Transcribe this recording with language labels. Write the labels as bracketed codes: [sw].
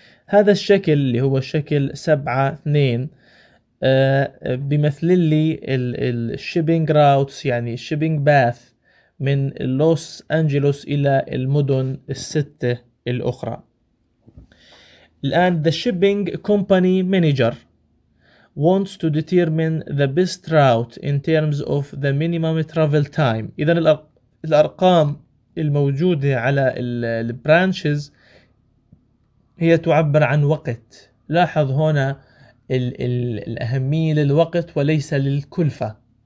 [ar] هذا الشكل اللي هو الشكل 7-2 بمثل لي الشيبينج راوتس يعني الشيبينج باث من لوس أنجلوس إلى المدن الستة الأخرى. الآن [en] the shipping company manager wants to determine the best route in terms of the minimum travel time. [ar] إذن الأرقام الموجودة على البرانشز هي تعبر عن وقت. لاحظ هنا الأهمية للوقت وليس للكلفة.